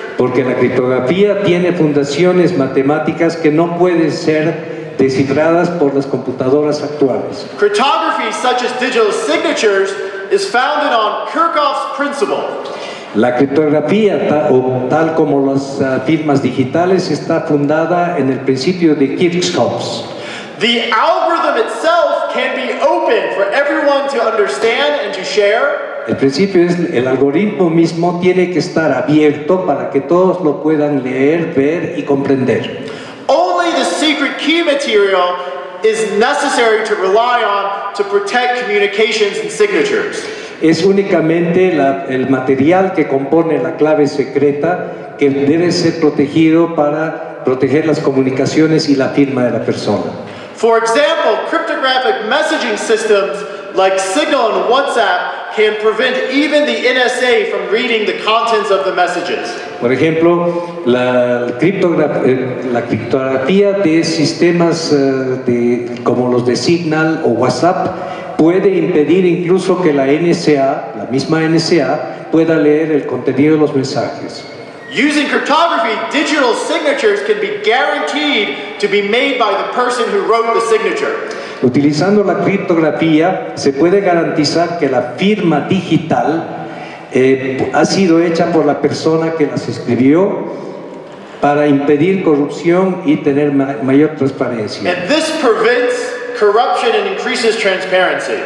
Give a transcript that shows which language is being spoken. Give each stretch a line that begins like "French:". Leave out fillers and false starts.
Spanish: Porque la criptografía tiene fundaciones matemáticas que no pueden ser descifradas por las computadoras actuales.
English: Cryptography, such as digital signatures, is founded on Kirchhoff's principle.
Spanish: La criptografía, tal como las firmas digitales, está fundada en el principio de Kirchhoff.
English: The algorithm itself can be open for everyone to understand and to share.
Spanish: El principio es el algoritmo mismo tiene que estar abierto para que todos lo puedan leer, ver y comprender.
English: Only the secret key material is necessary to rely on to protect communications and signatures.
Spanish: Es únicamente el material que compone la clave secreta que debe ser protegido para proteger las comunicaciones y la firma de la persona.
English: For example, cryptographic messaging systems like Signal and WhatsApp can prevent even the NSA from reading the contents of the messages.
Spanish: Por ejemplo, la criptografía de sistemas como los de Signal o WhatsApp puede impedir incluso que la NSA, la misma NSA, pueda leer el contenido de los mensajes.
English: Using cryptography, digital signatures can be guaranteed to be made by the person who wrote the signature.
Spanish: Utilizando la criptografía, se puede garantizar que la firma digital ha sido hecha por la persona que las escribió para impedir corrupción y tener mayor transparencia.
English: And this prevents corruption and increases transparency.